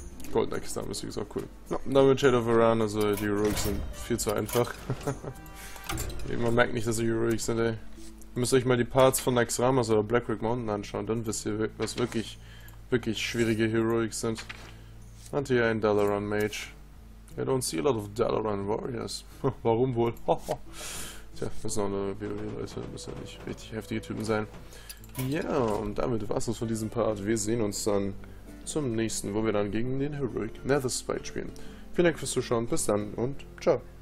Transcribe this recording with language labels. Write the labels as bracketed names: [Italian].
[German] Goldene Kistan ist auch cool. No, damit Shadow of Iran, also die Heroics sind viel zu einfach. Man merkt nicht, dass sie Heroics sind, ey. Ihr müsst euch mal die Parts von Naxxramas oder Blackrock Mountain anschauen, dann wisst ihr, was wirklich, wirklich schwierige Heroics sind. Und hier ein Dalaran Mage. [English] I don't see a lot of Dalaran Warriors. [German] Warum wohl? Tja, das ist noch eine WoW, Leute. Das müssen ja nicht richtig heftige Typen sein. Ja, und damit war's uns von diesem Part. Wir sehen uns dann zum nächsten, wo wir dann gegen den Heroic Nether Spite spielen. Vielen Dank fürs Zuschauen, bis dann und ciao.